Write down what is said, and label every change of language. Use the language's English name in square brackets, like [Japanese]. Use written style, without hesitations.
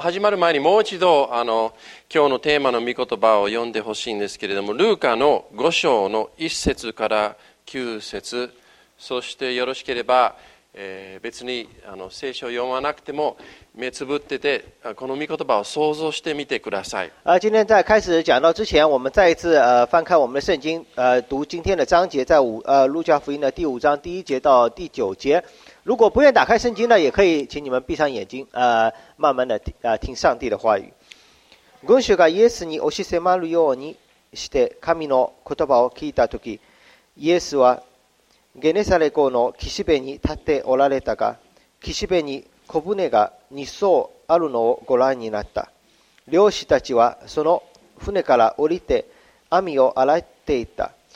[Japanese] 始まる前にもう一度今日のテーマの御言葉を読んでほしいんですけれども、ルーカの5章の1節から9節、そしてよろしければ、別に聖書を読まなくても目つぶっててこの御言葉を想像してみてください。 [Chinese] 今天在开始讲到之前，我们再一次翻开我们的圣经，读今天的章节，在路加福音的第五章第一节到第九节。如果不愿打开圣经的，也可以请你们闭上眼睛，慢慢的听上帝的话语。 [Japanese] 群衆がイエスに押し迫るようにして神の言葉を聞いたとき、イエスはゲネサレ港の岸辺に立っておられたが、岸辺に小舟が2艘あるのをご覧になった。漁師たちはその船から降りて網を洗っていた。